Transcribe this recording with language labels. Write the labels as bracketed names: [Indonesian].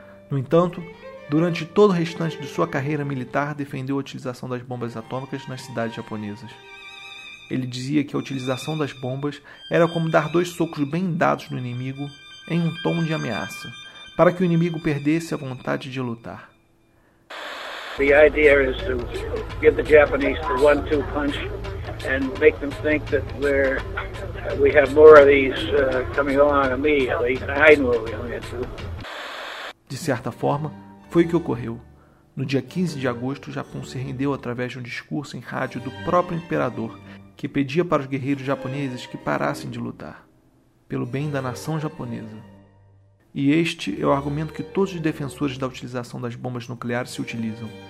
[Portuguese] No entanto, durante todo o restante de sua carreira militar, defendeu a utilização das bombas atômicas nas cidades japonesas. Ele dizia que a utilização das bombas era como dar 2 socos bem dados no inimigo em um tom de ameaça, para que o inimigo perdesse a vontade de lutar. [English] The idea is to give the Japanese the 1-2 punch. and make them think that we have more of these coming along immediately. I knew what we were going to do. [Portuguese] De certa forma, foi o que ocorreu. No dia 15 de agosto, o Japão se rendeu através de um discurso em rádio do próprio imperador, que pedia para os guerreiros japoneses que parassem de lutar, pelo bem da nação japonesa. E este é o argumento que todos os defensores da utilização das bombas nucleares se utilizam.